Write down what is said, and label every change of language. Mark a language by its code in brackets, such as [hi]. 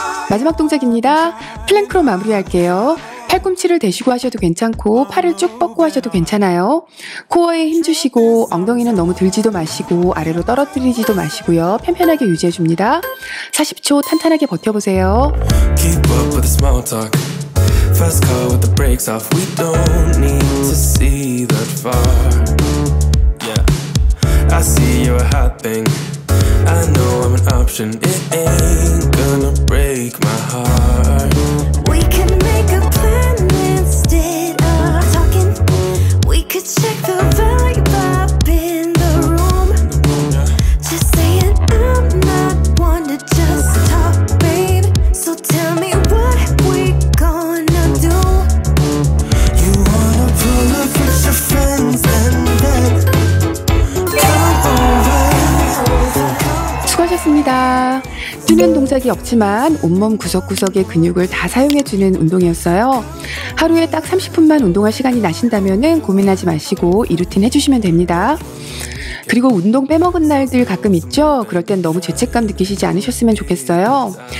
[ko] 마지막 동작입니다. 플랭크로 마무리할게요. 팔꿈치를 대시고 하셔도 괜찮고 팔을 쭉 뻗고 하셔도 괜찮아요. 코어에 힘주시고 엉덩이는 너무 들지도 마시고 아래로 떨어뜨리지도 마시고요. 편편하게 유지해줍니다. 40초 탄탄하게 버텨보세요. [en] Keep up with the small talk. First car with the brakes off. We don't need to see that far. Yeah. I see you're a hot thing. I know I'm an option. It ain't gonna break my heart. We can make a plan instead of talking. We could check the vibe up in the room. Just saying I'm not one to just talk, babe. So tell me what we gonna do. You wanna pull up with your friends and then come over. [ko] 수고하셨습니다. 뛰는 동작이 없지만 온몸 구석구석의 근육을 다 사용해주는 운동이었어요. 하루에 딱 30분만 운동할 시간이 나신다면은 고민하지 마시고 이 루틴 해주시면 됩니다. 그리고 운동 빼먹은 날들 가끔 있죠? 그럴 땐 너무 죄책감 느끼시지 않으셨으면 좋겠어요.